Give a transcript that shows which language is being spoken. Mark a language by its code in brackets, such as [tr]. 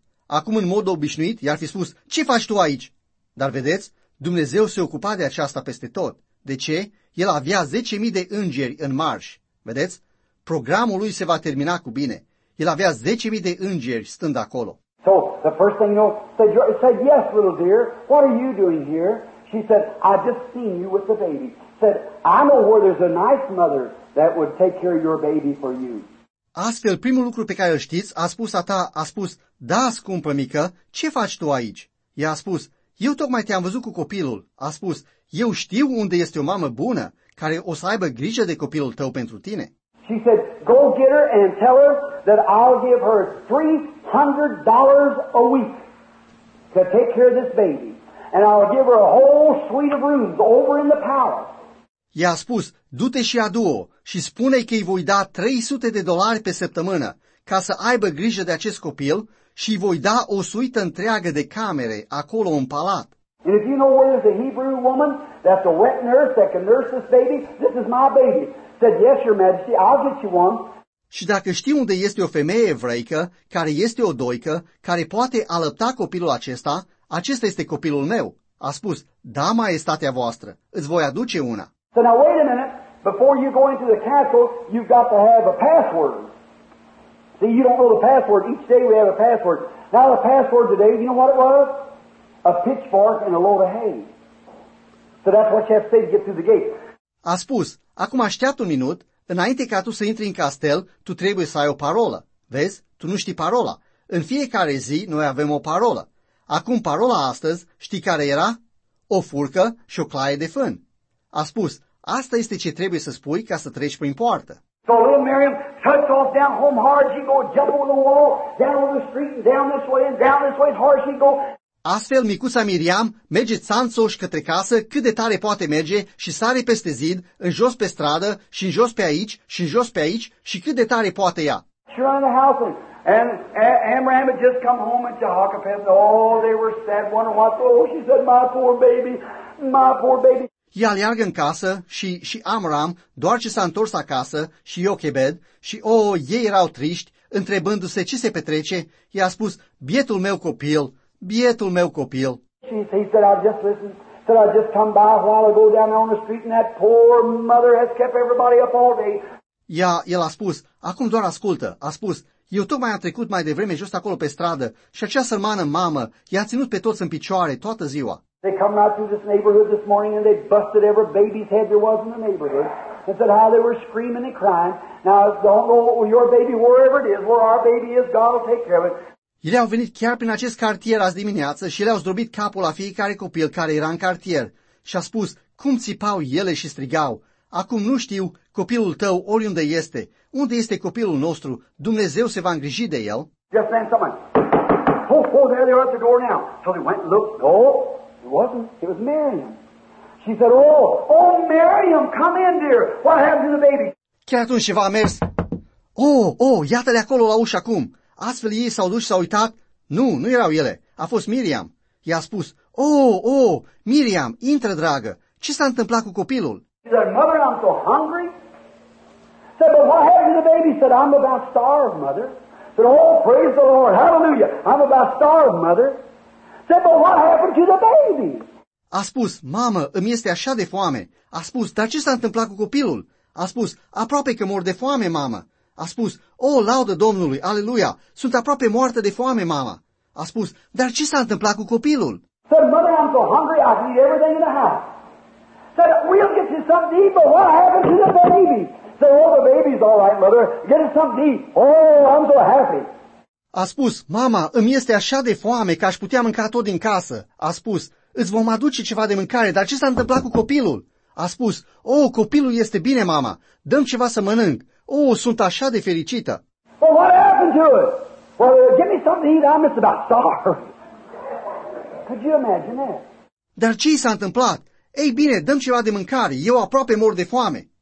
[ro] Acum în mod obișnuit, i-ar fi spus, ce faci tu aici? Dar vedeți, Dumnezeu se ocupa de aceasta peste tot. De ce? El avea 10.000 de îngeri în marș. Vedeți? Programul lui se va termina cu bine. El avea 10.000 de îngeri stând acolo. [en] So, the first thing, you know, said, yes, little dear, what are you doing here? She said, I just seen you with the baby. Said, I know where there's a nice mother that would take care of your baby for you. [ro] Astfel, primul lucru pe care îl știți, a spus a ta, a spus, da, scumpă mică, ce faci tu aici? I-a spus, eu tocmai te-am văzut cu copilul. A spus, eu știu unde este o mamă bună care o să aibă grijă de copilul tău pentru tine. [en] She said, go get her and tell her that I'll give her $300 a week to take care of this baby. And I'll give her a whole suite of rooms over in the palace. [ro] I-a spus, du-te și adu-o și spune-i că îi voi da $300 pe săptămână ca să aibă grijă de acest copil și îi voi da o suită întreagă de camere acolo în palat. [en] And if you know where there's a Hebrew woman that's a wet nurse that can nurse this baby, this is my baby. Said, yes, your majesty, I'll get you one. [ro] Și dacă știi unde este o femeie evreică care este o doică, care poate alăpta copilul acesta, acesta este copilul meu. A spus, da, maestatea voastră, îți voi aduce una. [en] So now wait a minute, before you go into the castle, you've got to have a password. See, you don't know the password. Each day we have a password. Now the password today, you know what it was? A pitchfork and a load of hay. So that's what you have to say to get through the gate. [ro] A spus, acum așteaptă un minut, înainte ca tu să intri în castel, tu trebuie să ai o parolă. Vezi, tu nu știi parola. În fiecare zi noi avem o parolă. Acum parola astăzi, știi care era? O furcă și o claie de fân. A spus, asta este ce trebuie să spui ca să treci prin poartă. [en] So little Miriam touched off down home hard, she go jump over the wall, down over the street, down this way, hard she go. [ro] Astfel, micuța Miriam merge țanțoș către casă cât de tare poate merge și sare peste zid, în jos pe stradă și în jos pe aici și în jos pe aici și cât de tare poate ea. [en] She ran the house and Amram had just come home at Jehoshaphat. Oh, they were sad, wondering what. Oh, she said, my poor baby, my poor baby. [ro] Ea aleargă în casă și Amram, doar ce s-a întors acasă, și Iochebed, și ei erau triști, întrebându-se ce se petrece, i-a spus, bietul meu copil, bietul meu copil. [en] He said, I just listened, said, I just come by a while ago down on the street and that poor mother has kept everybody up all day. [ro] El a spus, acum doar ascultă, a spus, eu tocmai am trecut mai devreme just acolo pe stradă și acea sărmană mamă i-a ținut pe toți în picioare toată ziua. [en] They come out through this neighborhood this morning and they busted every baby's head there was in the neighborhood and said how they were screaming and crying. Now, don't know your baby, wherever it is, where our baby is, God will take care of it. [ro] Ele au venit chiar prin acest cartier azi dimineață și le-au zdrobit capul la fiecare copil care era în cartier și a spus cum țipau ele și strigau. Acum nu știu copilul tău oriunde este. Unde este copilul nostru? Dumnezeu se va îngriji de el. [en] Just then someone. Oh, there they are at the door now. So they went and looked. Oh, it wasn't. It was Miriam. She said, oh, Miriam, come in, dear. What happened to the baby? [ro] Chiar atunci ceva a mers. Oh, iată-le acolo la ușă acum. Astfel ei s-au dus și s-au uitat. Nu erau ele. A fost Miriam. I-a spus, oh, Miriam, intră, dragă. Ce s-a întâmplat cu copilul? [en] She said, mother, I'm so hungry. Said, but what happened to the baby? Said, I'm about starved, mother. Said, oh, praise the Lord, hallelujah, I'm about starved, mother. Said, but what happened to the baby? [ro] A spus, mamă, îmi este așa de foame. A spus, dar ce s-a întâmplat cu copilul? A spus, aproape că mor de foame, mamă. A spus, oh, laudă Domnului, aleluia, sunt aproape moartă de foame, mamă. A spus, dar ce s-a întâmplat cu copilul? [en] Said, mother, I'm so hungry, I eat everything in the house. Said, we'll get you something to eat, but what happened to the baby? Said, oh, the baby's all right, mother, get us something to eat. Oh, I'm so happy. [ro] A spus, mama, îmi este așa de foame că aș putea mânca tot din casă. A spus, îți vom aduce ceva de mâncare, dar ce s-a întâmplat cu copilul? A spus, oh, copilul este bine, mama, dăm ceva să mănânc. Oh, sunt așa de fericită. [en] Well, what happened to it? Well, give me something to eat, I'm just about starved. Could you imagine that? [ro] Dar ce i s-a întâmplat? Ei bine, dăm ceva de mâncare, eu aproape mor de foame.